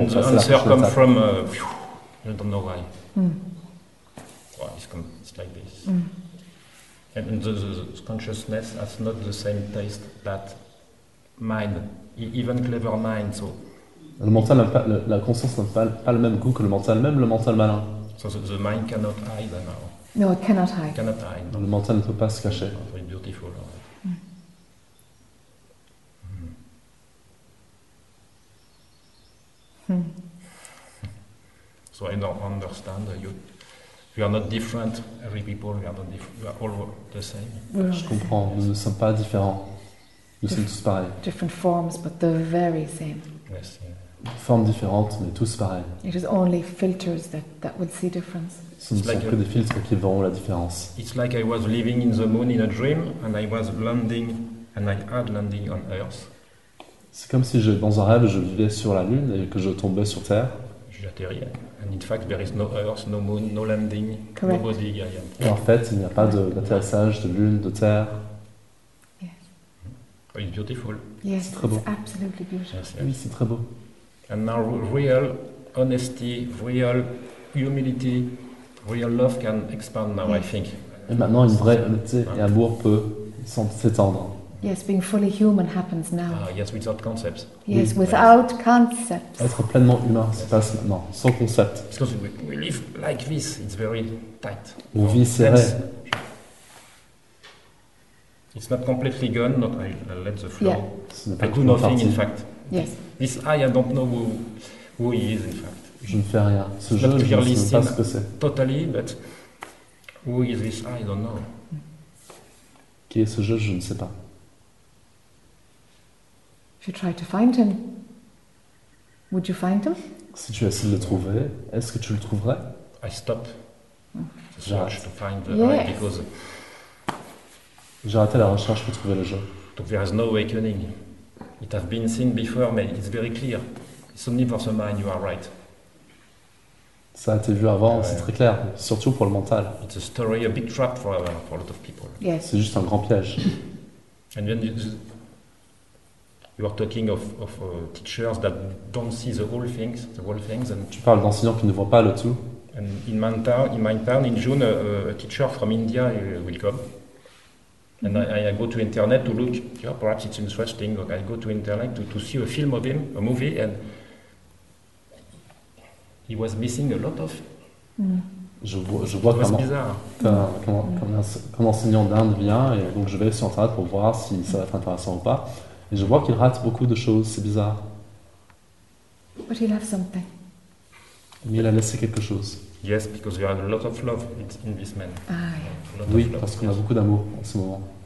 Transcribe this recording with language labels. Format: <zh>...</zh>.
<en>the answer comes from, I don't know why. Well, it's like this. And the consciousness has not the same taste that mind, even clever mind, so.</en> <fr>Le mental, la conscience n'a pas le même goût que le mental, même le mental malin.</fr> <en>So the mind cannot hide now. No, it cannot hide. Cannot hide.</en> <fr>Le mental ne peut pas se cacher.</fr> <en>It's very beautiful. Right? Mm. So I don't understand you. We are not different. Every people, we are not different. We are all the same.</en> <fr>Je comprends. Nous ne sommes pas différents. Nous sommes tous pareils.</fr> <en>Different forms, but the very same. Yes. Yeah.</en> <fr>Formes différentes, mais tous pareils.</fr> <en>It is only filters that would see difference.</en> <fr>Ce ne sont que des filtres qui verront la différence.</fr> <en>It's like I was living in the moon in a dream, and I was landing, and I had landing on Earth.</en> <fr>C'est comme si dans un rêve, je vivais sur la lune et que je tombais sur Terre. J'atterris.</fr> <en>And in fact, there is no Earth, no moon, no landing, correct. No body. Yeah, yeah.</en> <fr>Et en fait, il n'y a pas d'atterrissage de lune, de Terre.</fr> <en>Yes. Oh, it's beautiful. Yes,</en> <fr>c'est très beau.</fr> <en>It's absolutely beautiful.</en> <fr>Oui, c'est très beau.</fr> <en>And now real honesty, real humility, real love can expand now, yes. I think.</en> <fr>Et maintenant, une vraie honnêteté et amour peut s'étendre.</fr> <en>Yes, being fully human happens now. Yes, without concepts. Yes, without concepts.</en> <fr>Être pleinement humain, yes. Se passe maintenant, sans concept.</fr> <en>Because we live like this, it's very tight.</en> <fr>On vit serré.</fr> <en>It's not completely gone, not I let the flow. Yeah. I do nothing, in fact. Yes. This I don't know who he is, in fact.</en> <fr>Je ne fais rien. Ce jeu, je ne sais pas ce que c'est.</fr> <en>Totally, but who is this I don't know.</en> <fr>Qui est ce jeu, je ne sais pas.</fr> <en>If you try to find him, would you find him?</en> <fr>Si tu essaies de le trouver, est-ce que tu le trouverais?</fr> <en>I stop. Search to find the I because</en> <fr>j'ai arrêté la recherche pour trouver le jeu.</fr> <en>Donc, there is no awakening. It has been seen before, but it's very clear. It's only for the mind you are right.</en> <fr>Ça a été vu avant, c'est très clair, surtout pour le mental.</fr> <en>It's a story, a big trap for a lot of people. Yes.</en> <fr>C'est juste un grand piège.</fr> <en>And then you are talking of teachers that don't see the whole things. And</en> <fr>tu parles d'enseignants qui ne voient pas le tout.</fr> <en>And in my town, in June, a teacher from India will come. And I go to internet to look. Yeah, perhaps it's interesting. Okay, I go to internet to see a film of him, a movie, and he was missing a lot of.</en> <fr>Je vois comme enseignant d'Inde vient, et donc je vais sur internet pour voir si ça va être intéressant ou pas. Et je vois qu'il rate beaucoup de choses. C'est bizarre.</fr> <en>But he left something.</en> <fr>Mais il a laissé quelque chose.</fr> <en>Yes, because we have a lot of love in this man.</en> <fr>Oui, parce qu'on a beaucoup d'amour en ce moment.</fr>